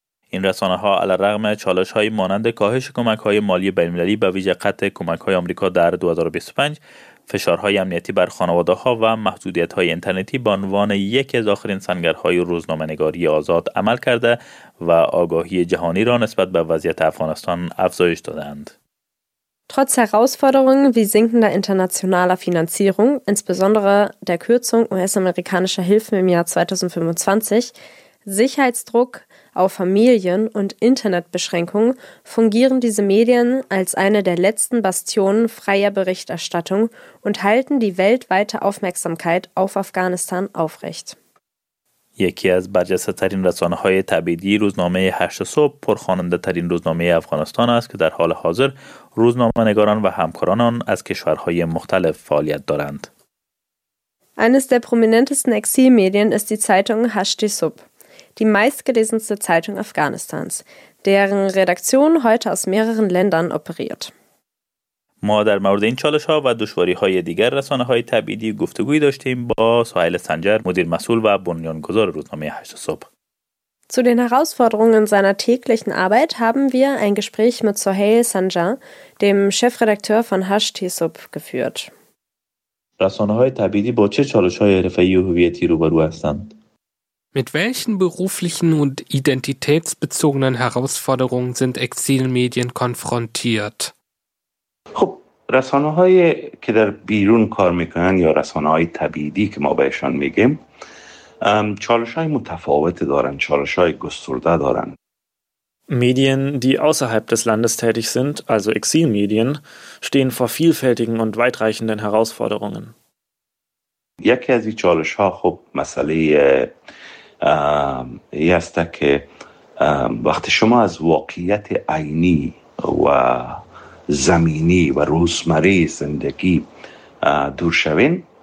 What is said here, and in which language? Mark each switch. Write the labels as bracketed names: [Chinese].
[Persian] این رسانه ها علی‌رغم چالش های مانند کاهش کمک های مالی بین‌المللی به ویژه قطع کمک های آمریکا در 2025، فشارهای امنیتی بر خانواده ها و محدودیت های اینترنتی به عنوان یکی از آخرین سنگرهای روزنامه‌نگاری آزاد عمل کرده و آگاهی جهانی را نسبت به وضعیت افغانستان افزایش دادند. [German] Trotz Herausforderungen wie sinkender internationaler Finanzierung, insbesondere der Kürzung US-amerikanischer Hilfen im Jahr 2025, Sicherheitsdruck auf Familien und Internetbeschränkungen fungieren diese Medien als eine der letzten Bastionen freier Berichterstattung und halten die weltweite Aufmerksamkeit auf Afghanistan aufrecht. [Persian] یکی از برجسته‌ترین رسانه‌های تبعیدی روزنامه 8 صبح پرخواننده‌ترین روزنامه افغانستان است که در حال حاضر روزنامه‌نگاران و همکاران آن از کشورهای مختلف فعالیت دارند. [German] Eines der prominentesten Exilmedien ist die Zeitung Hashti-Sub, die meistgelesenste Zeitung Afghanistans, deren Redaktion heute aus mehreren Ländern operiert. [Persian] ما در مورد این چالش‌ها و دشواری‌های دیگر رسانه‌های تبعیدی گفتگویی داشتیم با سهیل سنجر، مدیر مسئول و بنیانگذار روزنامه 8 صبح. [German] Zu den Herausforderungen seiner täglichen Arbeit haben wir ein Gespräch mit Sohail Sanjar, dem Chefredakteur von Hashti-Sub, geführt. [Persian] رسانه‌های تبعیدی با چه چالش‌های حرفه‌ای و هویتی روبرو هستند؟ [German] Mit welchen beruflichen und identitätsbezogenen Herausforderungen sind Exilmedien konfrontiert? [Persian] رسانه‌هایی که در بیرون کار می‌کنن یا رسانه‌های تبعیدی که ما بهشان میگیم چالش‌های متفاوت دارن، چالش‌های گسترده دارن. [German] Medien, die außerhalb des Landes tätig sind, also Exilmedien, stehen vor vielfältigen und weitreichenden Herausforderungen. [Persian] یکی از این چالش‌ها خب مسئله ای است که وقتی شما از واقعیت عینی و زمینی و روزمره زندگی دور شوین